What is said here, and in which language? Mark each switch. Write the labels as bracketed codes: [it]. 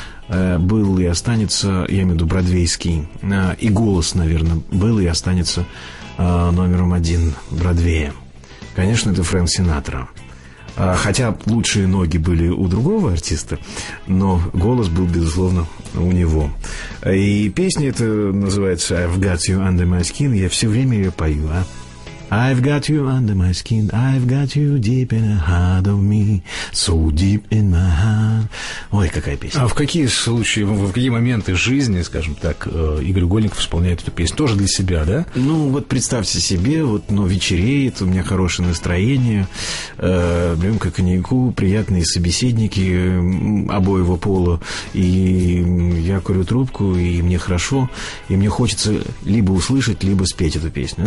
[ru] Был и останется, я имею в виду бродвейский, и голос, наверное, был и останется номером один Бродвея. Конечно, это Фрэнк Синатра. Хотя лучшие ноги были у другого артиста, но голос был, безусловно, у него. И песня эта называется «I've got you under my skin». Я все время ее пою, а? [en] I've got you under my skin, I've got you deep in the heart of me, so deep in my heart. [ru] Ой, какая песня. А в какие случаи, в какие моменты жизни, скажем так, Игорь Угольников исполняет эту песню? Тоже для себя, да? Ну, вот представьте себе, вот, ну, вечереет, у меня хорошее настроение, рюмка коньяку, приятные собеседники обоего пола, и я курю трубку, и мне хорошо, и мне хочется либо услышать, либо спеть эту песню.